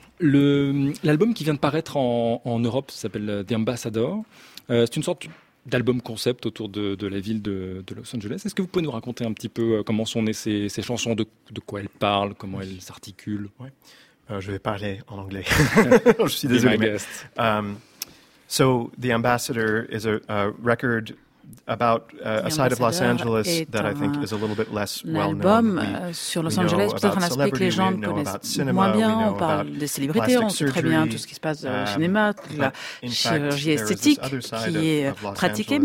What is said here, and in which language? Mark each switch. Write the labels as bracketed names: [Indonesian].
[French] L'album qui vient de paraître en Europe s'appelle The Ambassador. C'est une sorte d'album concept autour de la ville de Los Angeles. Est-ce que vous pouvez nous raconter un petit peu comment sont nées ces chansons, de quoi elles parlent, comment elles s'articulent? Ouais. Je vais parler en anglais. Je suis désolé. [English] So, The Ambassador is a record about a side of Los Angeles that I think is a little bit less well known. [French] Sur Los Angeles, peut-être un aspect que les gens connaissent cinema, moins bien. On parle des célébrités, on sait très bien tout ce qui se passe au cinéma, la chirurgie esthétique qui est pratiquée.